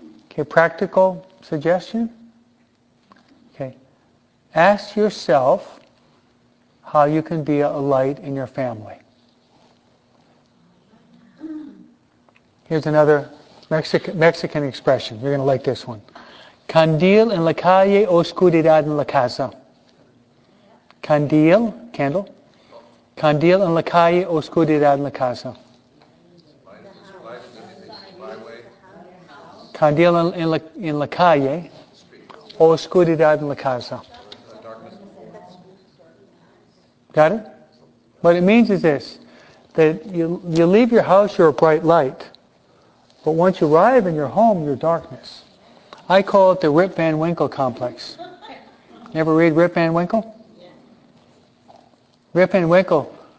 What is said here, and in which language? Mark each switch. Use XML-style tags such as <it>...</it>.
<en>Okay, practical suggestion? Okay. Ask yourself how you can be a light in your family. Here's another Mexican expression. You're going to like this one.</en> <es>Candil en la calle, oscuridad en la casa. Candil, candle. Candil en la calle, oscuridad en la casa. Candil en la calle, oscuridad en la casa.</es> <en>Got it? What it means is this, that you leave your house, you're a bright light, but once you arrive in your home, you're darkness. I call it the Rip Van Winkle complex. You ever read Rip Van Winkle? Rip Van Winkle.</en>